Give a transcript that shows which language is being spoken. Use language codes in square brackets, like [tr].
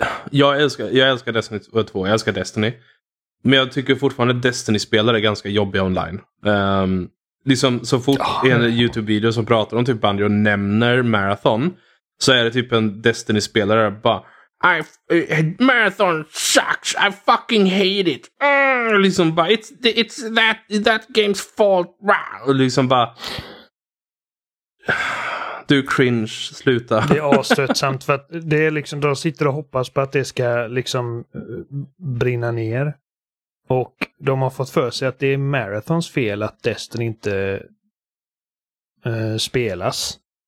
[sv] jag älskar Destiny 2, jag älskar Destiny. Men jag tycker fortfarande att Destiny-spelare är ganska jobbiga online. Liksom så fort en YouTube-video som pratar om typ Bungie och nämner Marathon, så är det typ en Destiny-spelare bara, [en] Marathon sucks. I fucking hate it. [sv] Liksom bara, [en] it's that game's fault. [sv] Och liksom bara, du cringe, sluta. Det är astötsamt för att det är liksom, de sitter och hoppas på att det ska liksom brinna ner. Och de har fått för sig att det är Marathons fel att Destiny inte spelas.